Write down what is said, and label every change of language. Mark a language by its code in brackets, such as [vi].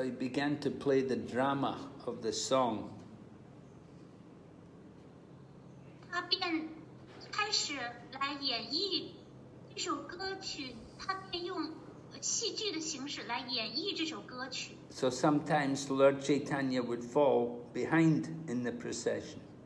[en] he began to play the drama of the song. [zh] 他便开始来演绎这首歌曲,他便用戏剧的形式来演绎这首歌曲。 [en] So sometimes Lord Chaitanya would fall behind in the procession.